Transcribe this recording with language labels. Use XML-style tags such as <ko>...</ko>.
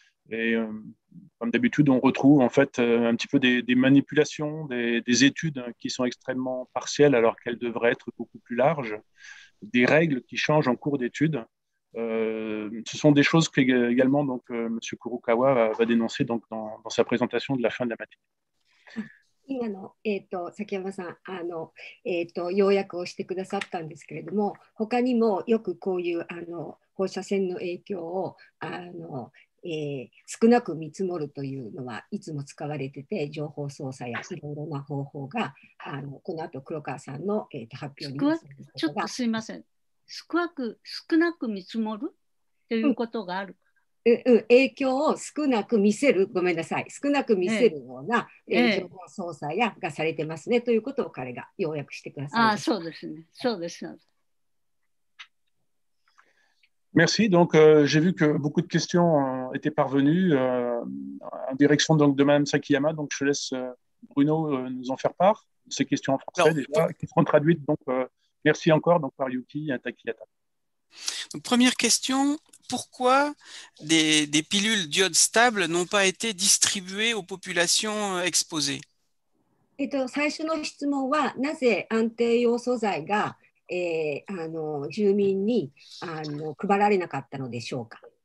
<fr>Et comme d'habitude, on retrouve en fait un petit peu des manipulations, des études qui sont extrêmement partielles alors qu'elles devraient être beaucoup plus larges, des règles qui changent en cours d'études. Ce sont des choses que également donc Monsieur Kurokawa va dénoncer donc dans sa présentation de la fin de la matinée.</fr> <ja>今の、崎山さん、要約をしてくださったんですけれども、他にもよくこういう放射線の影響を少なく見積もるというのはいつも使われてて、情報操作やいろいろな方法がこの後黒川さんの、発表に。ちょっとすいません。少なく見積もるということがある、うんうん、影響を少なく見せる、ごめんなさい、少なく見せるような影響の操作やがされてますね、ということを彼が要約してくださいました。ああ、そうですね、そうです。</ja> <fr>Merci. Donc, j'ai vu que beaucoup de questions étaient parvenues en direction donc, de Mme Sakiyama. Donc, je laisse Bruno nous en faire part, ces questions en français déjà, qui seront traduites donc. Merci encore donc par Yuki et Takiyata. Première question, pourquoi des pilules d'iode stable n'ont pas été distribuées aux populations exposées?</fr> <ja>最初の質問は、なぜ安定ヨウ素剤が、住民に配られなかったのでしょうか？</ja>